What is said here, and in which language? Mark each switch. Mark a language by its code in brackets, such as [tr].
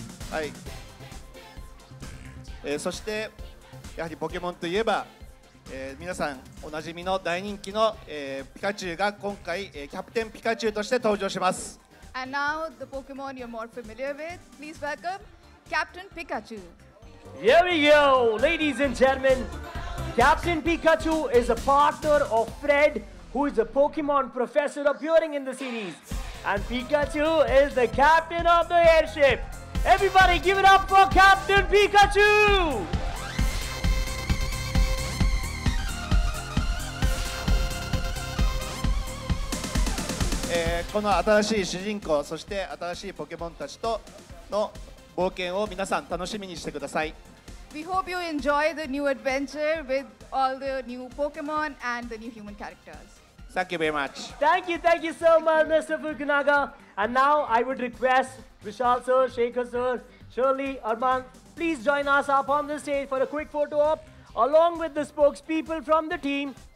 [ja] はい、そしてやはりポケモンといえば、皆さんおなじみの大人気の、ピカチュウが今回、キャプテンピカチュウとして登場します。 [en] And now, the Pokemon you're more familiar with, please welcome Captain Pikachu. Here we go, ladies and gentlemen. Captain Pikachu is a partner of Fred, who is a Pokemon professor appearing in the series. And Pikachu is the captain of the airship. Everybody, give it up for Captain Pikachu! [ja] この新しい主人公、そして新しいポケモンたちとの冒険を皆さん楽しみにしてください。 [en] We hope you enjoy the new adventure with all the new Pokemon and the new human characters. Thank you very much. Thank you so much, Mr. Fukunaga. And now I would request Vishal sir, Shekhar sir, Shirley, Arman, please join us up on the stage for a quick photo op along with the spokespeople from the team.